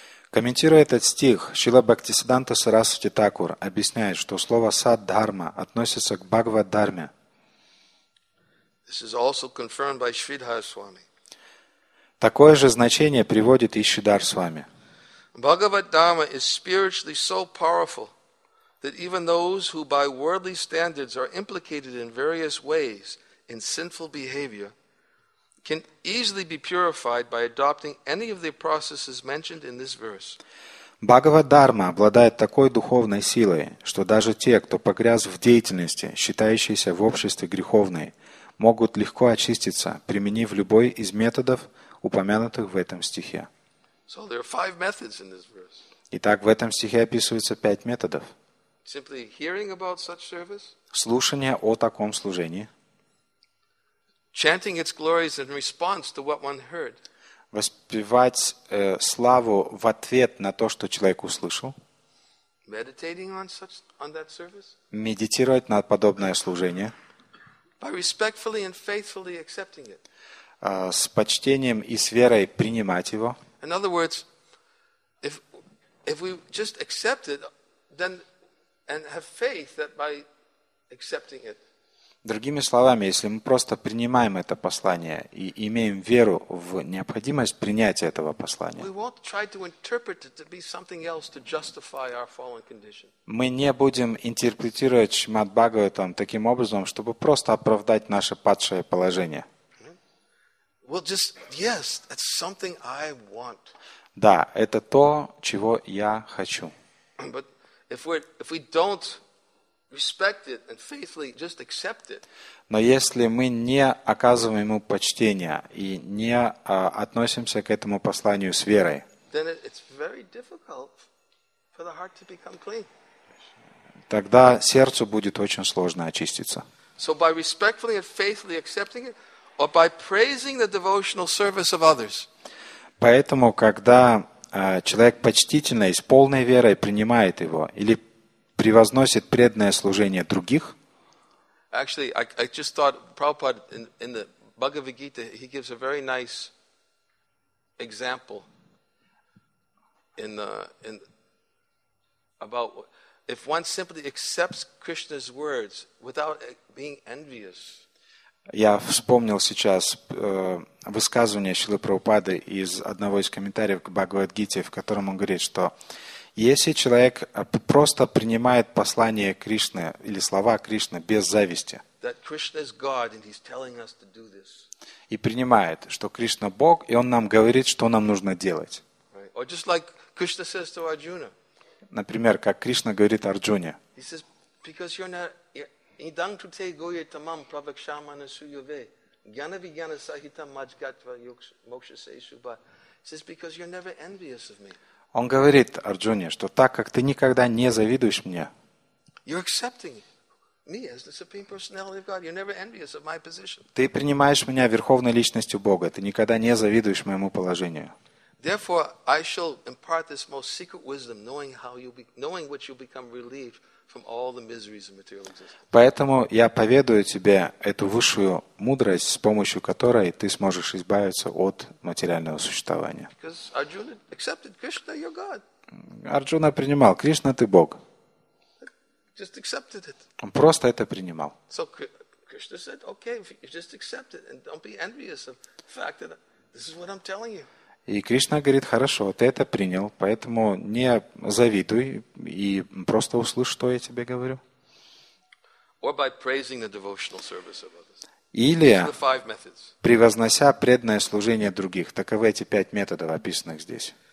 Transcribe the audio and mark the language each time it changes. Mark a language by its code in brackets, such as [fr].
[ru] Комментируя этот стих, Шрила Бхактисиддханта Сарасвати Такур объясняет, что слово Саддхарма относится к Бхагавад Дхарме. [en] This is also confirmed by Шридхар Свами. [ru] Такое же значение приводит и Шридхар Свами. [en] Бхагавад-дхарма is spiritually so powerful that even those who by worldly standards are implicated in various ways in sinful behavior can easily be purified by adopting any of the processes mentioned in this verse. [ru] Бхагавад-дхарма обладает такой духовной силой, что даже те, кто погряз в деятельности, считающейся в обществе греховной, могут легко очиститься, применив любой из методов, упомянутых в этом стихе. [en] So there are 5 methods in this verse. [ru] Итак, в этом стихе описывается 5 методов. [en] Simply hearing about such service. [ru] Слушание о таком служении. [en] Chanting its glories in response to what one heard. [ru] Воспевать славу в ответ на то, что человек услышал. [en] Meditating on that service. [ru] Медитировать на подобное служение. [en] By respectfully and faithfully accepting it. [ru] С почтением и с верой принимать его. [en] In other words, if we just accept it, then and have faith that by accepting it. [ru] Другими словами, если мы просто принимаем это послание и имеем веру в необходимость принятия этого послания, [en] we won't try to interpret it to be something else to justify our fallen condition. [ru] Мы не будем интерпретировать Шримад Бхагаватам таким образом, чтобы просто оправдать наше падшее положение. [en] Well, just yes, that's something I want. [ru] Да, это то, чего я хочу. [en] But if we don't respect it and faithfully just accept it. [ru] Но если мы не оказываем ему почтения и не относимся к этому посланию с верой. [en] Then it's very difficult for the heart to become clean. [ru] Тогда сердцу будет очень сложно очиститься. [en] So by respectfully and faithfully accepting it. Or by praising the devotional service of others. [ru] Поэтому, когда человек почтительно и с полной верой принимает его или превозносит преданное служение других. [en] Actually, I just thought Prabhupada in the Bhagavad Gita he gives a very nice example in about if one simply accepts Krishna's words without being envious. [ru] Я вспомнил сейчас высказывание Шрилы Прабхупады из одного из комментариев к Бхагавад-гите, в котором он говорит, что если человек просто принимает послание Кришны или слова Кришны без зависти, [en] that Krishna is God and he's telling us to do this. [ru] И принимает, что Кришна Бог, и он нам говорит, что нам нужно делать. [en] Right. Or just like Krishna says to Arjuna. [ru] Например, как Кришна говорит Арджуне. [en] He says, because you're not [sa] idantute goye tamam pravakshamana suyave gyana vigyana sahita majgatva moksha seshuba. [en] He says, because you're never envious of me. [ru] Он говорит Арджуне, что так как ты никогда не завидуешь мне, [en] you're accepting me as the supreme personality of God. You're never envious of my position. [ru] Ты принимаешь меня верховной личностью Бога. Ты никогда не завидуешь моему положению. [en] Therefore, I shall impart this most secret wisdom, knowing how you knowing which you become relieved from all the miseries of material existence. [ru] Поэтому я поведаю тебе эту высшую мудрость, с помощью которой ты сможешь избавиться от материального существования. [en] Because Arjuna accepted Krishna, your God. [ru] Арджуна принимал, Кришна, ты Бог. [en] Just accepted it. [ru] Он просто это принимал. [en] So Krishna said, okay, you just accept it and don't be envious of the fact that this is what I'm telling you. [ru] И Кришна говорит, хорошо, ты это принял, поэтому не завидуй и просто услышь, что я тебе говорю. [en] Or by praising the devotional service of others. [ru] Или превознося преданное служение других. Таковы эти пять методов, описанных здесь.